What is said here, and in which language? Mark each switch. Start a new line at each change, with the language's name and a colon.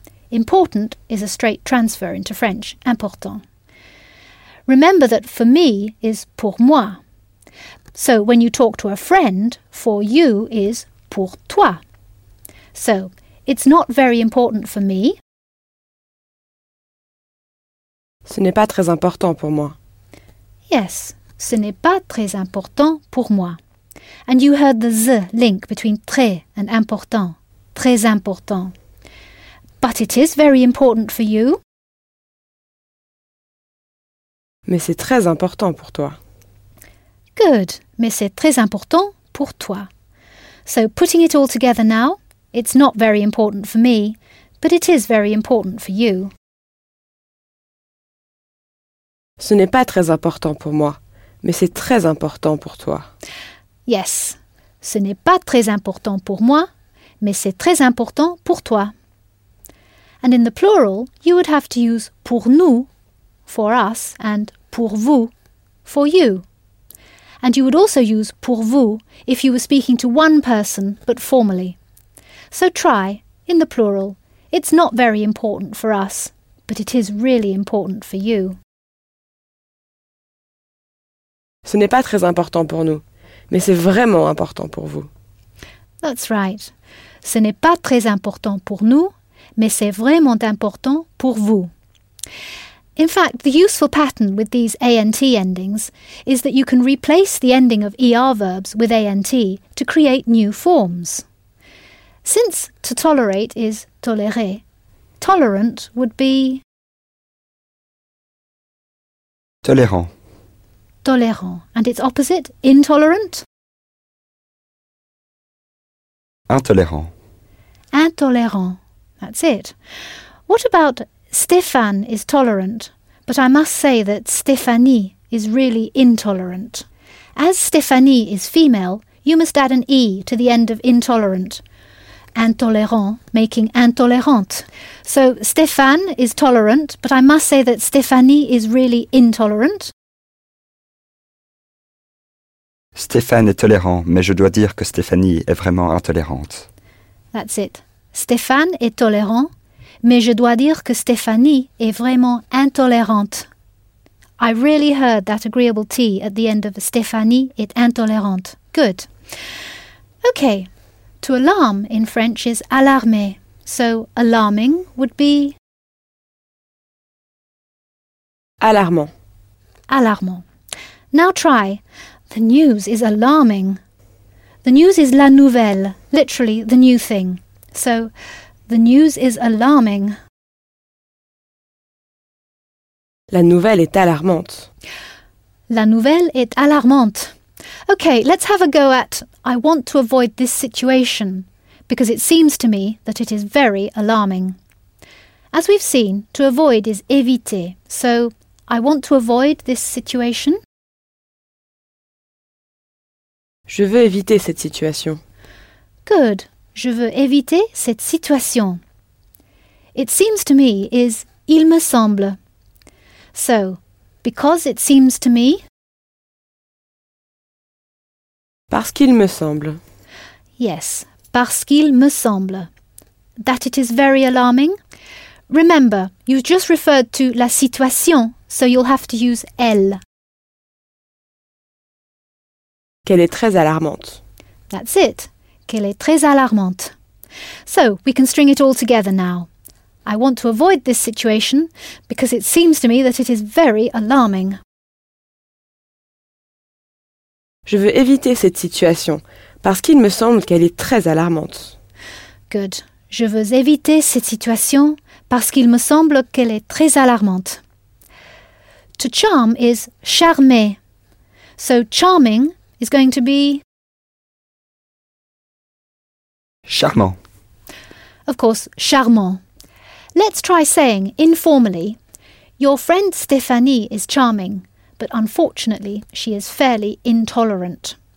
English: Important is a straight transfer into French, important. Remember that for me is
French: pour moi.
English: So when you talk to a friend, for you is
French: pour toi.
English: So it's not very important for me.
French: Ce n'est pas très important pour moi. Yes, ce n'est pas très important pour moi.
English: And you heard the z link between très and important.
French: Très important.
English: But it is very important for you.
French: Mais c'est très important pour toi.
English: Good.
French: Mais c'est très important pour toi.
English: So putting it all together now, it's not very important for me, but it is very important for you.
French: Ce n'est pas très important pour moi, mais c'est très important pour toi.
English: Yes.
French: Ce n'est pas très important pour moi, mais c'est très important pour toi.
English: And in the plural, you would have to use
French: pour nous,
English: for us, and
French: pour vous,
English: for you. And you would also use
French: pour vous
English: if you were speaking to one person, but formally. So try, in the plural, it's not very important for us, but it is really important for you.
French: Ce n'est pas très important pour nous, mais c'est vraiment important pour vous.
English: That's right.
French: Ce n'est pas très important pour nous, mais c'est vraiment important pour vous.
English: In fact, the useful pattern with these ant endings is that you can replace the ending of er verbs with ant to create new forms. Since to tolerate is tolérer, tolerant would be
French: tolérant. Tolérant.
English: And its opposite, intolerant?
French: Intolérant.
English: Intolérant. That's it. What about Stéphane is tolerant, but I must say that Stéphanie is really intolerant. As Stéphanie is female, you must add an E to the end of intolerant. Intolérant, making intolérante. So Stéphane is tolerant, but I must say that Stéphanie is really intolerant.
French: Stéphane est tolérant, mais je dois dire que Stéphanie est vraiment intolérante.
English: That's it.
French: Stéphane est tolérant, mais je dois dire que Stéphanie est vraiment intolérante.
English: I really heard that agreeable T at the end of
French: Stéphanie est intolérante.
English: Good. Okay. To alarm in French is alarmer. So alarming would be
French: alarmant.
English: Alarmant. Now try. The news is alarming. The news is
French: la nouvelle,
English: literally the new thing. So, the news is alarming.
French: La nouvelle est alarmante. La nouvelle est alarmante.
English: Okay, let's have a go at I want to avoid this situation, because it seems to me that it is very alarming. As we've seen, to avoid is éviter. So, I want to avoid this situation.
French: Je veux éviter cette situation.
English: Good.
French: Je veux éviter cette situation.
English: It seems to me is
French: il me semble.
English: So, because it seems to me.
French: Parce qu'il me semble. Yes, parce qu'il me semble.
English: That it is very alarming. Remember, you just referred to
French: la situation,
English: so you'll have to use elle.
French: Qu'elle est très alarmante.
English: That's it.
French: Qu'elle est très alarmante.
English: So, we can string it all together now. I want to avoid this situation because it seems to me that it is very alarming.
French: Je veux éviter cette situation parce qu'il me semble qu'elle est très alarmante.
English: Good.
French: Je veux éviter cette situation parce qu'il me semble qu'elle est très alarmante.
English: To charm is charmer. So, charming is going to be
French: charmant.
English: Of course, charmant. Let's try saying, informally, your friend Stéphanie is charming, but unfortunately, she is fairly intolerant.